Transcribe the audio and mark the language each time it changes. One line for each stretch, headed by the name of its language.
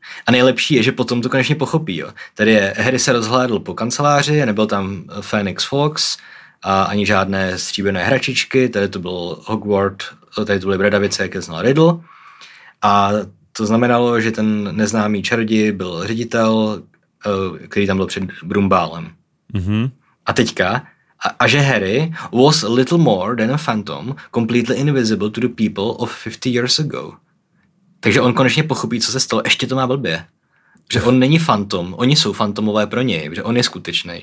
Czech: A nejlepší je, že potom to konečně pochopí, jo. Tady je, Harry se rozhlédl po kanceláři, nebyl tam Phoenix Fox a ani žádné stříbené hračičky, tady to byl Hogwarts, tady to byly bradavice, jak je znal Riddle. A to znamenalo, že ten neznámý čaroděj byl ředitel, který tam byl před Brumbálem. Mm-hmm. A teďka, a že
English: Harry was a little more than a phantom, completely invisible to the people of 50 years ago.
Czech: Takže on konečně pochopí, co se stalo, ještě to má blbě. Že on není fantom, oni jsou fantomové pro něj, že on je skutečný.